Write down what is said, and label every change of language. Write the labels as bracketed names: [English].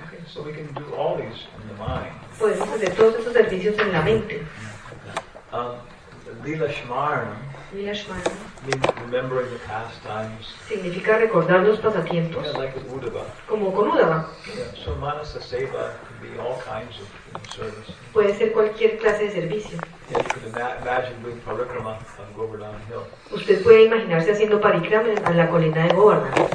[English] Okay, so we can do all these in the mind. [Spanish] Podemos hacer todos estos servicios en la mente. [Sanskrit] Lila Smaranam. [English] Means remembering the pastimes. [Spanish] Significa recordar los pasatiempos. [English] Yeah, like Udava. [Spanish] Como con Udava. [English] Yeah, so Manasa Seva can be all kinds of service. [Spanish] Puede ser cualquier clase de servicio. [English] Yeah, you could imagine doing parikrama on Govardhan Hill. [Spanish] Usted puede imaginarse haciendo parikrama en la colina de Govardhan.